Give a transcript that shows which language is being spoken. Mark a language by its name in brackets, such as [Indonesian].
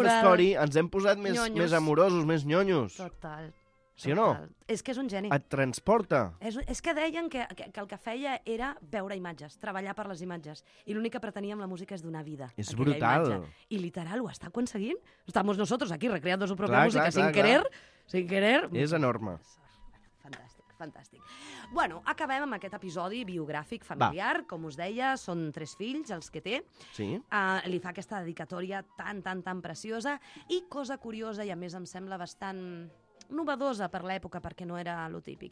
[Catalan] Amb Love Story ens hem posat més amorosos, més nyonyos. Total. Sí o no? És que és un geni. Et transporta. És que deien que el que feia era veure imatges, treballar per les imatges. I l'únic que pretenia amb la música és donar vida. És brutal. Imatge. I literal, ho està aconseguint? [Spanish] Estamos nosotros aquí recreando su propia música sin querer. [Catalan] És enorme. Fantàstic, fantàstic. Bueno, acabem amb aquest episodi biogràfic familiar. Va. Com us deia, són tres fills els que té. Sí. Li fa aquesta dedicatòria tan preciosa. I cosa curiosa, i a més em sembla bastant... novedosa per l'època, perquè no era lo típic.